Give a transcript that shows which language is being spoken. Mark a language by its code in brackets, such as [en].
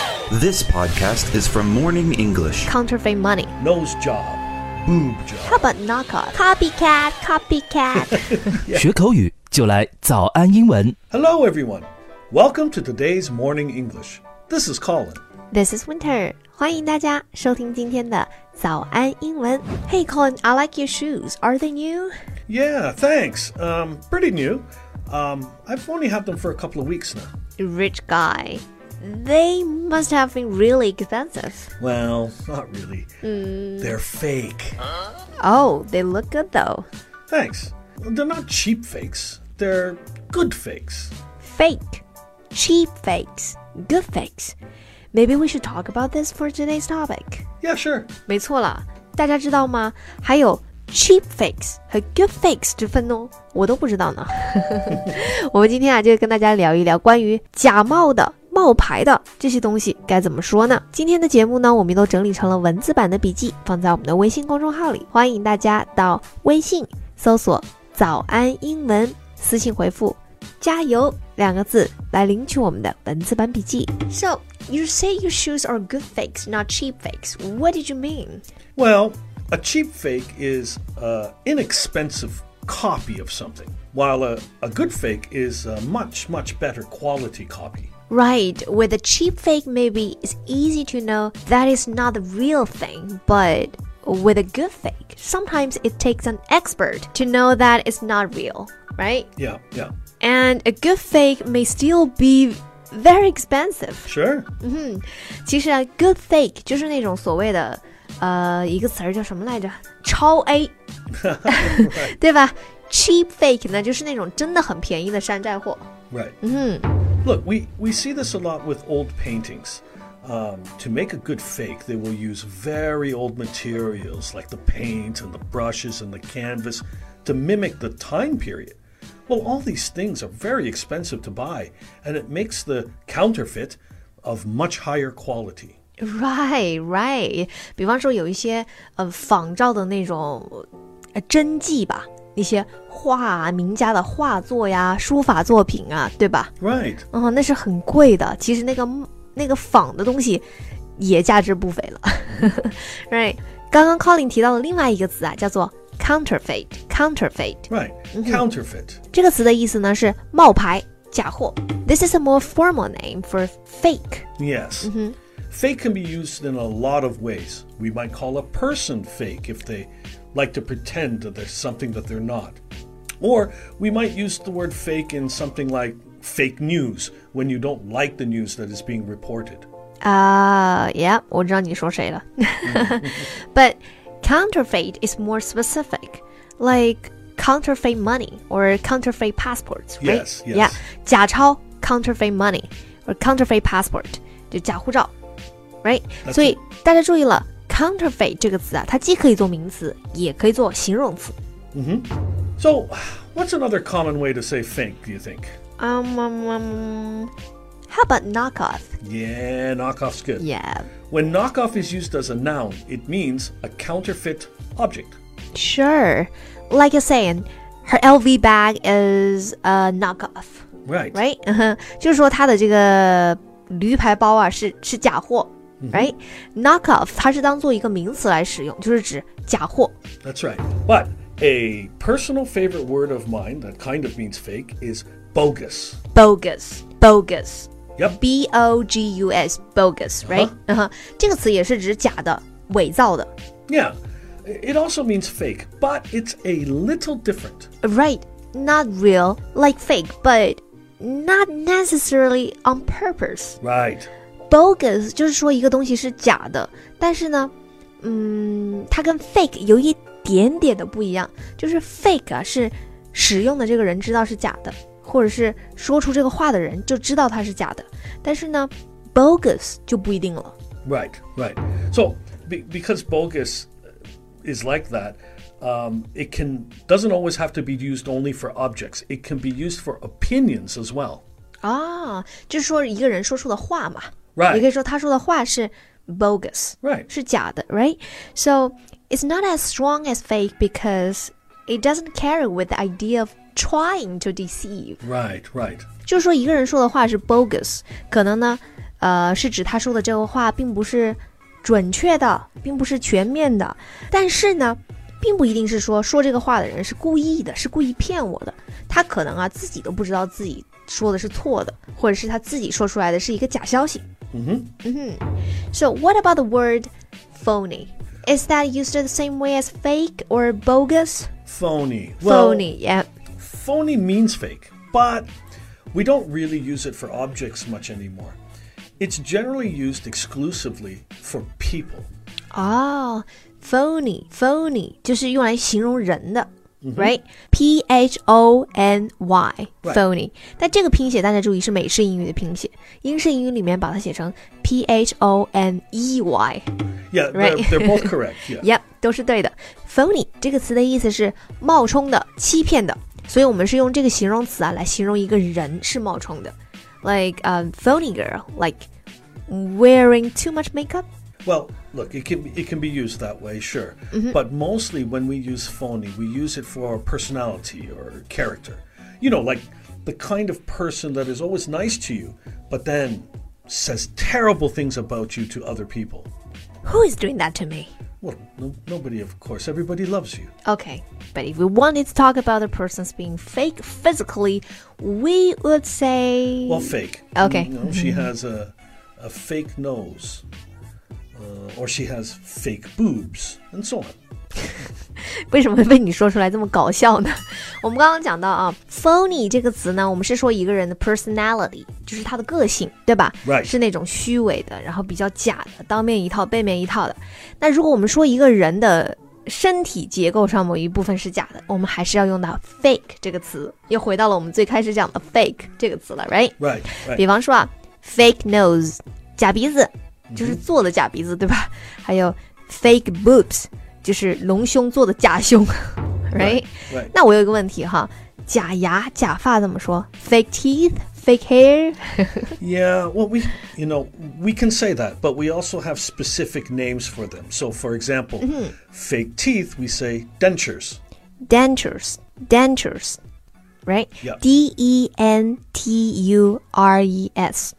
[en] This podcast is from Morning English. Counterfeit money. Nose job. Boob job. How about knockoff? Copycat, copycat. [zh] 学口语就来早安英文。 [en] Hello everyone. Welcome to today's Morning English. This is Colin. This is Winter. [zh] 欢迎大家收听今天的早安英文。 [en] Hey Colin, I like your shoes. Are they new? Yeah, thanks. Pretty new. I've only had them for a couple of weeks now. Rich guy. They must have been really expensive. Well, not really. They're fake. Oh, they look good though. Thanks. They're not cheap fakes. They're good fakes. Fake. Cheap fakes. Good fakes. Maybe we should talk about this for today's topic. Yeah, sure. [zh] 没错啦。大家知道吗？还有Cheap fakes 和 good fakes 之分哦，我都不知道呢。我们今天啊，就跟大家聊一聊关于假冒的、冒牌的这些东西该怎么说呢？今天的节目呢，我们都整理成了文字版的笔记，放在我们的微信公众号里，欢迎大家到微信搜索“早安英文”，私信回复“加油”两个字来领取我们的文字版笔记。 [en] So you say your shoes are good fakes, not cheap fakes. What did you mean? Well. A cheap fake is an inexpensive copy of something, while a good fake is a much, much better quality copy. Right, with a cheap fake, maybe it's easy to know that it's not the real thing, but with a good fake, sometimes it takes an expert to know that it's not real, right? Yeah, yeah. And a good fake may still be... Very expensive. Sure. [zh] 其实啊 good fake 就是那种所谓的一个词儿叫什么来着超 A. 对吧 cheap fake 呢就是那种真的很便宜的山寨货。 [en] Right.、Mm-hmm. Look, we see this a lot with old paintings. To make a good fake, they will use very old materials like the paint and the brushes and the canvas to mimic the time period. Well, all these things are very expensive to buy, and it makes the counterfeit of much higher quality. Right, right. [zh] 比方说有一些仿照的那种真迹吧，那些画名家的画作呀，书法作品啊，对吧 [en] ？Right. [zh] 那是很贵的。其实那个仿的东西也价值不菲了。 [en] Right. [zh] 刚刚 Colin 提到的另外一个词啊，叫做。 [en] Counterfeit, counterfeit. Right, counterfeit.、 Mm-hmm. [zh] 这个词的意思呢是冒牌、假货。 [en] This is a more formal name for fake. Yes.、Mm-hmm. Fake can be used in a lot of ways. We might call a person fake if they like to pretend that they're something that they're not. Or we might use the word fake in something like fake news when you don't like the news that is being reported. [zh] Yeah, 我知道你说谁了。 [en] But... Counterfeit is more specific, like counterfeit money or counterfeit passports, right? Yes, yes. Yeah, [zh] 假钞 [en] counterfeit money or counterfeit passport, [zh] 就假护照 [en] right? [zh] 所以大家注意了 counterfeit 这个词啊，它既可以做名词，也可以做形容词。 [en] Mm-hmm. So, what's another common way to say fake, do you think? How about knockoff? Yeah, knockoff's good. Yeah. When knockoff is used as a noun, it means a counterfeit object. Sure. Like you're saying, her LV bag is a knockoff. Right. Right? [zh] 就是说她的这个驴牌包啊是假货。 [en] Mm-hmm. Right? [zh] Knockoff, 它是当做一个名词来使用，就是指假货。 [en] That's right. But a personal favorite word of mine that kind of means fake is bogus. Bogus. Bogus. Yep. B-O-G-U-S. Bogus, right? Uh-huh. [zh] Uh-huh. 这个词也是指假的、伪造的。 [en] Yeah. It also means fake, but it's a little different. Right. Not real, like fake, but not necessarily on purpose. Right. [zh] Bogus 就是说一个东西是假的，但是呢，它跟 fake 有一点点的不一样，就是 fake 啊，是使用的这个人知道是假的。或者是说出这个话的人就知道它是假的，但是呢 ，bogus 就不一定了。 [en] Right, right. So, because bogus is like that, it can doesn't always have to be used only for objects. It can be used for opinions as well. [zh] 啊，就是说一个人说出的话嘛。 [en] Right. [zh] 也可以说他说的话是 bogus. [en] Right. [zh] 是假的 ，right? [en] So it's not as strong as fake because it doesn't carry with the idea of. Trying to deceive. Right, right. [zh] 就是说一个人说的话是 bogus, 可能呢是指他说的这个话并不是准确的，并不是全面的。但是呢，并不一定是说这个话的人是故意的，是故意骗我的。他可能啊，自己都不知道自己说的是错的，或者是他自己说出来的是一个假消息。 [en] So what about the word phony? Is that used the same way as fake or bogus? Phony. Phony, well, yeah. Phony means fake, but we don't really use it for objects much anymore. It's generally used exclusively for people. [zh] Oh, phony, phony, 就是用来形容人的。 [en] Right? P-H-O-N-Y, right. phony. [zh] 但这个拼写大家注意是美式英语的拼写。英式英语里面把它写成 P-H-O-N-E-Y. [en] Yeah, right? they're both correct. [zh] Yep, 都是对的。 Phony 这个词的意思是冒充的、欺骗的。所以我们是用这个形容词啊来形容一个人是冒充的。 [en] Like, phony girl, like wearing too much makeup? Well, look, it can be used that way, sure. Mm-hmm. But mostly when we use phony, we use it for our personality or character. You know, like the kind of person that is always nice to you, but then says terrible things about you to other people. Who is doing that to me? Well, nobody, of course. Everybody loves you. Okay, but if we wanted to talk about a person's being fake physically, we would say... Well, fake. Okay. You know, she has a fake nose. Or she has fake boobs, and so on. [zh] 为什么被你说出来这么搞笑呢？我们刚刚讲到啊 ，phony 这个词呢，我们是说一个人的 personality， 就是他的个性，对吧 [en] ？Right. [zh] 是那种虚伪的，然后比较假的，当面一套，背面一套的。那如果我们说一个人的身体结构上某一部分是假的，我们还是要用到 fake 这个词，又回到了我们最开始讲的 fake 这个词了 ，right? [en] Right. [zh] 比方说啊 ，fake nose， 假鼻子。就是做的假鼻子，对吧？还有 fake boobs， 就是隆胸做的假胸 [en] ，right？ [zh] 那我有一个问题哈，假牙、假发怎么说 ？ [en] Fake teeth, fake hair? Yeah, well, we can say that, but we also have specific names for them. So, for example,、 mm-hmm. fake teeth, we say dentures. Dentures, dentures, right?、 Yeah. D-E-N-T-U-R-E-S.